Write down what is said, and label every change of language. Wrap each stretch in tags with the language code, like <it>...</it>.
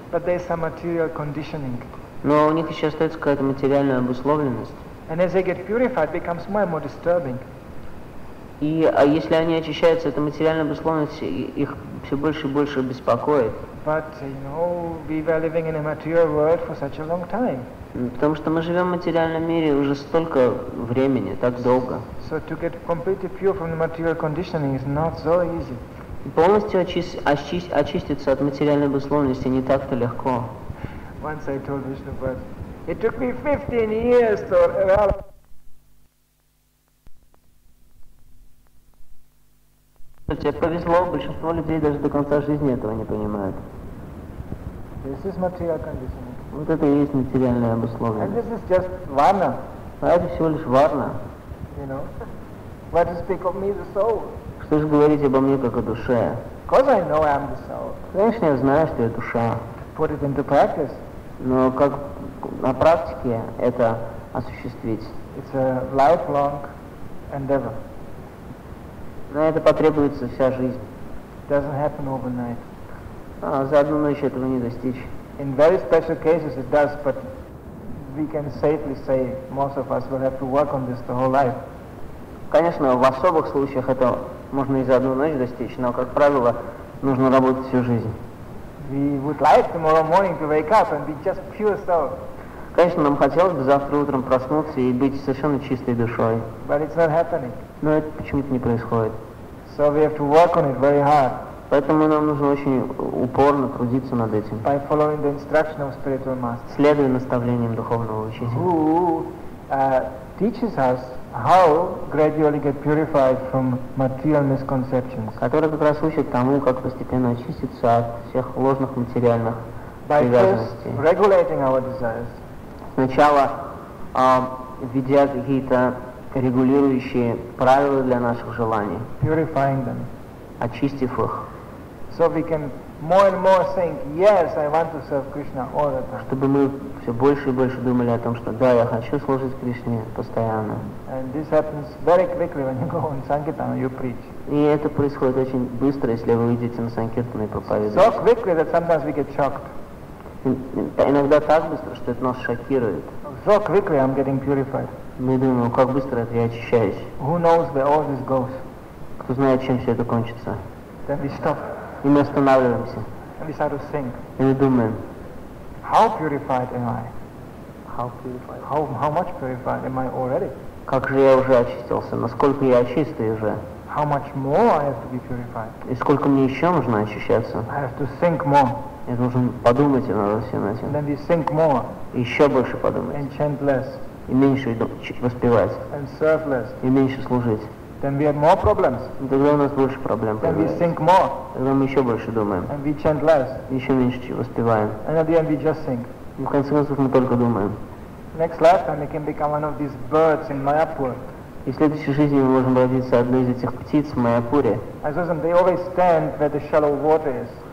<en>but there is some material conditioning.</en> <ru>Но у них еще остается какая-то материальная обусловленность.</ru> <en>And as they get purified, it becomes more and more disturbing.</en> <ru>И если они очищаются, эта материальная обусловленность их все больше и больше беспокоит.</ru> <en>But, you know, we were living in a material world for such a long time.</en> <ru>Потому что мы живем в материальном мире уже столько времени, так долго.</ru> <en>So to get completely pure from the material conditioning is not so easy.</en> <ru>Полностью очиститься от материальной обусловленности не так-то легко.</ru> <en>Once I told Vishnu, but it took me 15 years to realize.</en> <ru>Тебе повезло, большинство людей даже до конца жизни этого не понимают.</ru> <en>This is material conditioning.</en> <ru>Вот это и есть материальное обусловление.</ru> <en>And this is just varna.</en> <ru>А это всего лишь варна.</ru> <en>You know? Why to speak of me, the soul?</en> <ru>Что же говорить обо мне как о душе?</ru> <en>Because I know I'm the soul.</en> <ru>Конечно, я знаю, что я душа.</ru> <en>Put it into practice.</en> <ru>Но как на практике это осуществить?</ru> <en>It's a lifelong endeavor.</en> <ru>На это потребуется вся жизнь.</ru> <en>Doesn't happen overnight.</en> <ru>А за одну ночь этого не достичь.</ru> <en>In very special cases it does, but we can safely say most of us will have to work on this the whole life.</en> <ru>Конечно, в особых случаях это можно и за одну ночь достичь, но, как правило, нужно работать всю жизнь.</ru> <en>We would like tomorrow morning to wake up and be just pure soul.</en> <ru>Конечно, нам хотелось бы завтра утром проснуться и быть совершенно чистой душой.</ru> <en>But it's not happening.</en> <ru>Но это почему-то не происходит.</ru> <en>So we have to work on it very hard.</en> <ru>Поэтому нам нужно очень упорно трудиться над этим.</ru> <en>By following the instruction of spiritual master.</en> <ru>Следуя наставлениям духовного учителя.</ru> <en>Who teaches us how gradually get purified from material misconceptions.</en> <ru>Который как раз учит тому, как постепенно очиститься от всех ложных материальных привязанностей.</ru> <en>By first regulating our desires.</en> <ru>Сначала введя какие-то регулирующие правила для наших желаний,</ru> <en>purifying them,</en> <ru>очистив их,</ru> <en>so we can more and more think, yes, I want to serve Krishna all the time.</en> <ru>Чтобы мы все больше и больше думали о том, что да, я хочу служить Кришне постоянно.</ru> <en>And this happens very quickly when you go on Sankirtan and you preach.</en> <ru>И это происходит очень быстро, если вы идете на Санкиртан и проповедуете.</ru> <en>So quickly that sometimes we get shocked.</en> <ru>Иногда так быстро, что это нас шокирует.</ru> <en>So quickly I'm getting purified.</en> <ru>Мы думаем, ну как быстро это я очищаюсь.</ru> <en>Who knows where all this goes?</en> <ru>Кто знает, чем все это кончится.</ru> <en>Then we stop.</en> <ru>И мы останавливаемся.</ru> <en>And we start to think.</en> <ru>И мы думаем.</ru> <en>How purified am I? How purified? How much purified am I already?</en> <ru>Как же я уже очистился? Насколько я чистый уже?</ru> <en>How much more I have to be purified?</en> <ru>И сколько мне еще нужно очищаться?</ru> <en>I have to think more.</en> <ru>Я должен подумать надо всем этим.</ru> <en>Then we think more.</en> <ru>И еще больше подумать.</ru> <en>And chant less.</en> <ru>И меньше воспевать.</ru> <en>And serve less.</en> <ru>И меньше служить.</ru> <en>Then we have more problems.</en> <ru>Тогда у нас больше проблем.</ru> <en>Then we think more.</en> <ru>Тогда мы еще больше думаем.</ru> <en>And we chant less.</en> <ru>И еще меньше воспеваем.</ru> <en>And at the end we just think.</en> <ru>И в конце концов мы только думаем.</ru> <en>Next lifetime we can become one of these birds in Mayapur.</en> <ru>И в следующей жизни мы можем родиться одной из этих птиц в Майяпуре.</ru> <en>I saw them, they always stand where the shallow water is.</en>